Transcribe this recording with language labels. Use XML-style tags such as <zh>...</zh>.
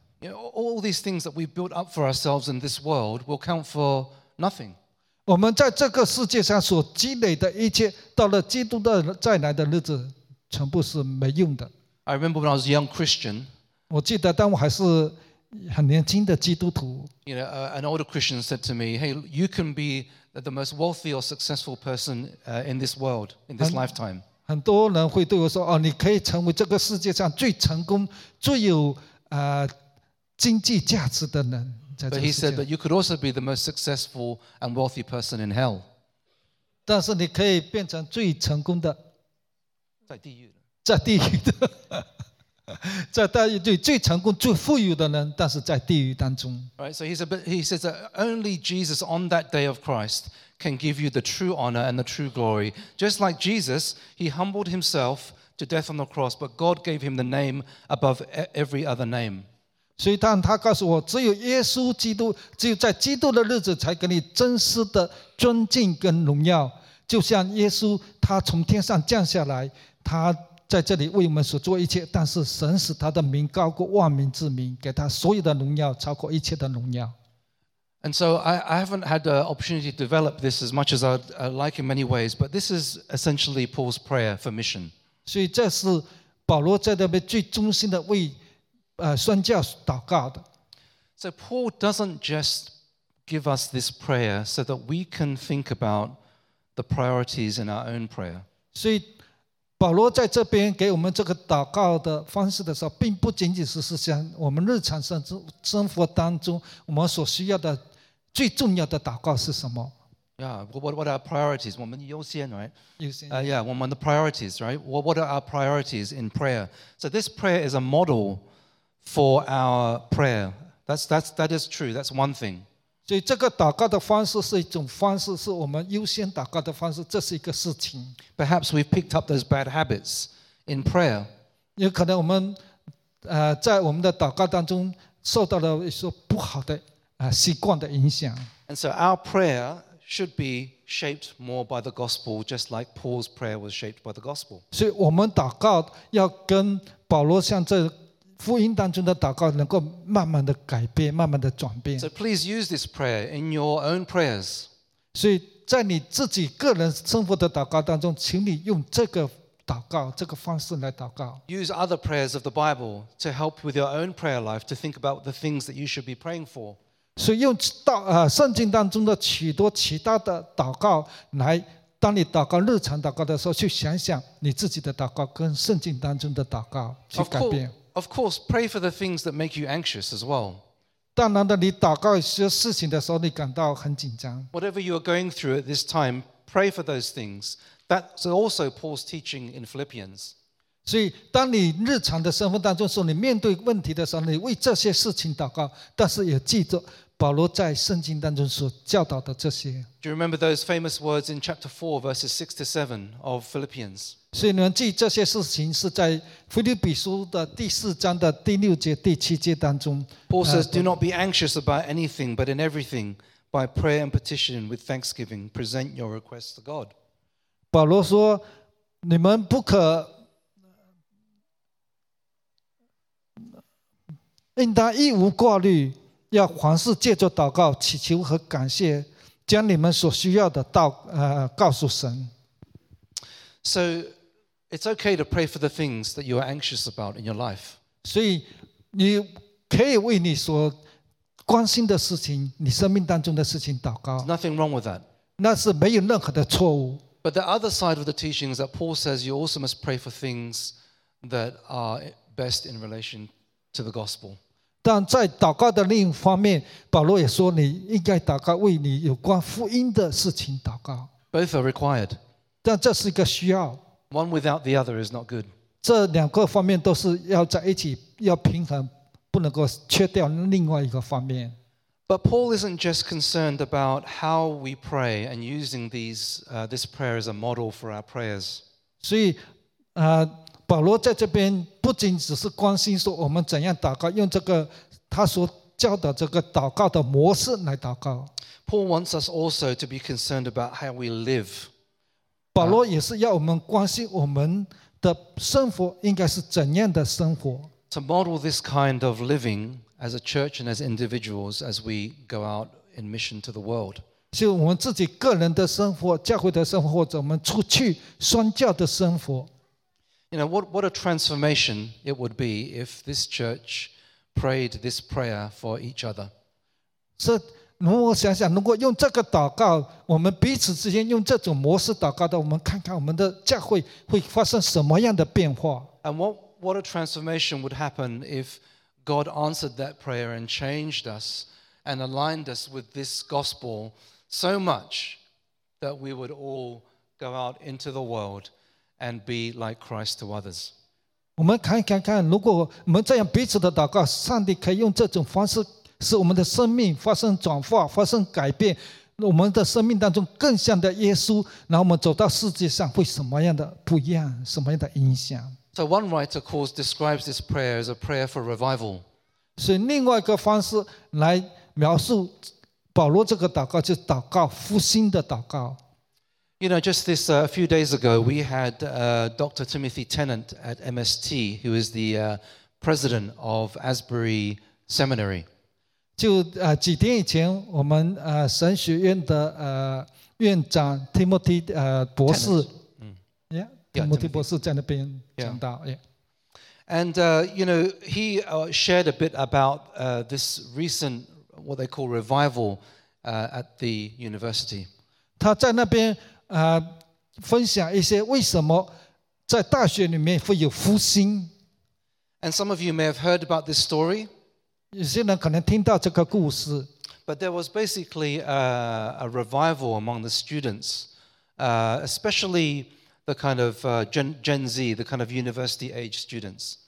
<en>You know, all these things that we've built up for ourselves in this world will count for nothing.</en> <zh>我们在这个世界上所积累的一切，到了基督的再来的日子，全部是没用的。</zh> <en>I remember when I was a young Christian.</en> <zh>我记得当我还是很年轻的基督徒。</zh> <en>You know, an older Christian said to me, "Hey, you can be the most wealthy or successful person in this world in this lifetime."</en> <zh>很多人会对我说：“哦，你可以成为这个世界上最成功、最有经济价值的人，</zh> <en>But he said that you could also be the most successful and wealthy person in hell.</en> <zh>但是你可以变成最成功的，在地狱的，在地狱的，在地狱最最成功、最富有的人，但是在地狱当中。</zh> <en>Right, so he says that only Jesus on that day of Christ can give you the true honor and the true glory. Just like Jesus, he humbled himself to death on the cross, but God gave him the name above every other name.</en> <zh>所以当他告诉我只有耶稣基督只有在基督的日子才给你真实的尊敬跟荣耀就像耶稣他从天上降下来他在这里为我们所做一切，但是神使他的名高过万民之名，给他所有的荣耀超过一切的荣耀。</zh> <en>And so I haven't had the opportunity to develop this as much as I'd like in many ways, but this is essentially Paul's prayer for mission.</en> <zh>所以这是保罗在这边最忠心的为宣教祷告的。</zh> <en>So Paul doesn't just give us this prayer so that we can think about the priorities in our own prayer.</en> <zh>所以保罗在这边给我们这个祷告的方式的时候，并不仅仅是像我们日常生活当中我们所需要的最重要的祷告是什么。</zh> <en>Yeah, what are our priorities?</en> <zh>我们优先</zh> <en>right?</en> <zh>优先、</zh> <en>yeah,</en> <zh>我们的</zh> <en>priorities, right? What are our priorities in prayer? So this prayer is a model for our prayer. That is true, that's one thing.</en> <zh>所以这个祷告的方式是一种方式，是我们优先祷告的方式，这是一个事情。</zh> <en>Perhaps we've picked up those bad habits in prayer.</en> <zh>有可能我们在我们的祷告当中受到了一些不好的习惯的影响。</zh> <en>And so our prayer should be shaped more by the gospel, just like Paul's prayer was shaped by the gospel.</en> <zh>所以我们祷告要跟保罗像这福音当中的祷告能够慢慢的改变，慢慢的转变。</zh> <en>So please use this prayer in your own prayers.</en> <zh>所以在你自己个人生活的祷告当中，请你用这个祷告，这个方式来祷告。</zh> <en>Use other prayers of the Bible to help with your own prayer life to think about the things that you should be praying for.</en> <zh>所以用圣经当中的许多其他的祷告来，当你祷告日常祷告的时候，去想想你自己的祷告跟圣经当中的祷告去改变。</zh> <en>Of course, pray for the things that make you anxious as well.</en> <zh>当然的，你祷告一些事情的时候，你感到很紧张。</zh> <en>Whatever you are going through at this time, pray for those things. That's also Paul's teaching in Philippians.</en> <zh>所以，当你日常的生活当中说你面对问题的时候，你为这些事情祷告，但是也记着保罗在圣经当中所教导的这些。</zh> <en>Do you remember those famous words in chapter 4, verses 6 to 7 of Philippians?</en> <zh>所以你们记这些事情是在腓立比书的第四章的第六节、第七节当中。</zh> <en>Paul says, Do not be anxious about anything, but in everything, by prayer and petition with thanksgiving, present your requests to God.</en> <zh>保罗说，你们不可应当一无挂虑，要凡事借着祷告、祈求和感谢，将你们所需要的告诉神。</zh> <en>So it's okay to pray for the things that you are anxious about in your life.</en> <zh>所以你可以为你所关心的事情、你生命当中的事情祷告。</zh> <en>There's nothing wrong with that.</en> <zh>那是没有任何的错误。</zh> <en>But the other side of the teaching is that Paul says you also must pray for things that are best in relation to the gospel.</en> <zh>但在祷告的另一方面，保罗也说你应该祷告为你有关福音的事情祷告。</zh> <en>Both are required.</en> <zh>但这是一个需要。</zh> <en>One without the other is not good.</en> <zh>这两个方面都是要在一起，要平衡，不能够缺掉另外一个方面。</zh> <en>But Paul isn't just concerned about how we pray and using these, this prayer as a model for our prayers.</en> <zh>所以，保罗在这边不仅只是关心说我们怎样祷告，用这个他所教的这个祷告的模式来祷告。</zh> <en>Paul wants us also to be concerned about how we live.</en> <zh>保罗也是要我们关心我们的生活应该是怎样的生活。</zh> <en>To model this kind of living as a church and as individuals as we go out in mission to the world.</en> <zh>是我们自己个人的生活、教会的生活，或者我们出去宣教的生活。</zh> <en>You know, what a transformation it would be if this church prayed this prayer for each other.</en> <zh>是，如果想想，如果用这个祷告，我们彼此之间用这种模式祷告的，我们看看我们的教会会发生什么样的变化。</zh> <en>And what a transformation would happen if God answered that prayer and changed us and aligned us with this gospel so much that we would all go out into the world. And be like Christ to others.</en> <zh>我们看看看，如果我们这样彼此的祷告，上帝可以用这种方式使我们的生命发生转化、发生改变，我们的生命当中更像的耶稣，然后我们走到世界上会什么样的不一样，什么样的影响</zh> <en>？So one writer of course describes this prayer as a prayer for revival.</en> <zh>所以另外一个方式来描述保罗这个祷告，就是祷告复兴的祷告。</zh> <en>You know, just this a few days ago, we had Dr. Timothy Tennant at MST, who is the president of Asbury Seminary.</en> <zh>几天以前，我们神学院的院长 Timothy 博士，嗯 ，Timothy 博士在那边讲道。</zh> <en>And you know, he shared a bit about this recent what they call revival at the university.</en> <zh>他在那边分享一些为什么在大学里面会有复兴。</zh> <en>And some of you may have heard about this story.</en> <zh>有些人可能听到这个故事。</zh> <en>But there was basically a revival among the students, especially the kind of Gen Z, the kind of university age students.</en>